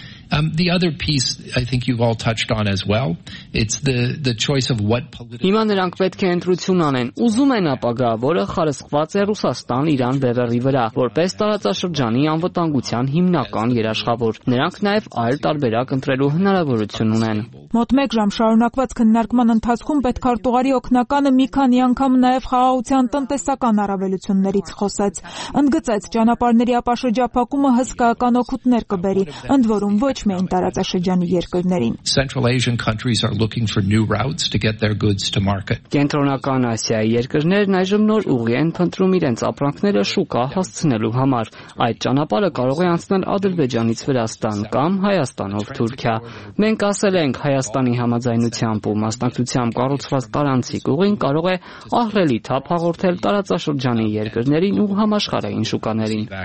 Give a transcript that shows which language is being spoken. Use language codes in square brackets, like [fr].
[en] The other piece I think you've all touched on as well, it's the choice of what political [hy] Հիմա նրանք պետք է ընտրություն անեն, ուզում են ապագա, որը խարսված է Ռուսաստան-Իրան բևեռի վրա, որպես տարածաշրջանի անվտանգության հիմնական երաշխավոր։ Նրանք նաև այլ տարբերակ ընտրելու հնարավորություն ունեն։ Մոտ 1 ժամ շարունակված քննարկման ընթացքում պետքարտուղարի օգնականը մի քանի անգամ նաև խաղաղության տնտեսական առավելություններից խոսեց։ Ընդգծեց, ճանապարհների ապաշրջափակումը հսկայական օգուտներ կբերի, ընդ որում ոչ միայն տարածաշրջանի երկրներին։ [en] Central Asian countries are looking for new routes to get their goods to market. [hy] Կենտրոնական Ասիայի երկրներն այժմ նոր ուղի են փնտրում իրենց ապրանքները շուկա հասցնելու համար։ Այդ ճանապարհը կարող է անցնել Ադրբեջանից Վրաստան կամ Հայաստանով Թուրքիա։ Մենք ասել ենք, Հայաստանի համաձայնությամբ ու մասնակցությամբ կառուցված տարածքի ուղին կարող է ահռելի թափ հաղորդել տարածաշրջանի երկրներին ու համաշխարհային շուկաներին։